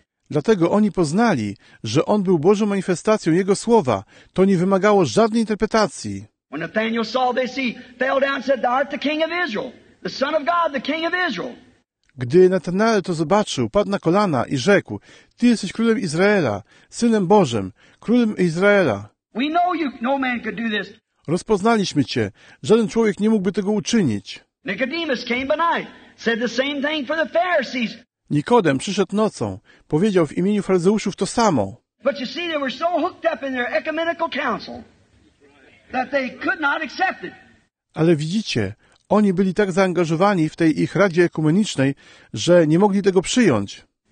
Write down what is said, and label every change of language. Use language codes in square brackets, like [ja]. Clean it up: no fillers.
[pl] Dlatego oni poznali, że On był Bożą manifestacją Jego Słowa. To nie wymagało żadnej interpretacji. [en] When Nathanael saw this, he fell down and said, Thou art the King of Israel. The Son of God, the King of Israel. [pl] Gdy Natanael to zobaczył, padł na kolana i rzekł, Ty jesteś Królem Izraela, Synem Bożym, Królem Izraela. [en] We know you, no man could do this. [pl] Rozpoznaliśmy Cię, żaden człowiek nie mógłby tego uczynić. [en] Nicodemus came by night, said the same thing for the Pharisees. [pl] Nikodem przyszedł nocą, powiedział w imieniu faryzeuszów to samo. [en] But you see, they were so hooked up in their ecumenical council that they could not accept it. [pl] Ale widzicie, oni byli tak zaangażowani w tej ich radzie ekumenicznej, że nie mogli tego przyjąć.